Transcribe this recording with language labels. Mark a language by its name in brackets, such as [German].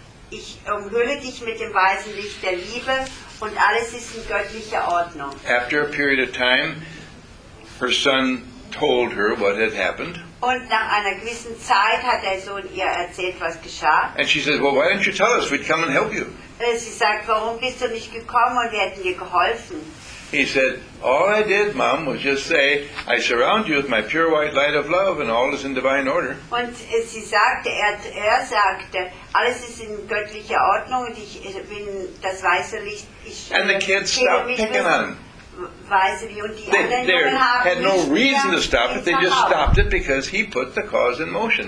[German] Ich umhülle dich mit dem weißen Licht der Liebe, und alles ist in göttlicher Ordnung. [English] After a period of time, her son told her what had happened. [German] Und nach einer gewissen Zeit hat der Sohn ihr erzählt, was geschah. [English] And she says, well, why don't you tell us? We'd come and help you. [German] Sie sagt, warum bist du nicht gekommen und wir hätten dir geholfen? [English] He said, all I did, Mom, was just say, I surround you with my pure white light of love and all is in divine order. [German] Und sie sagte, er sagte, alles ist in göttlicher Ordnung und ich bin das weiße Licht. [English] And the kids stopped picking on him. They had no reason to stop it. They just stopped it because he put the cause in motion,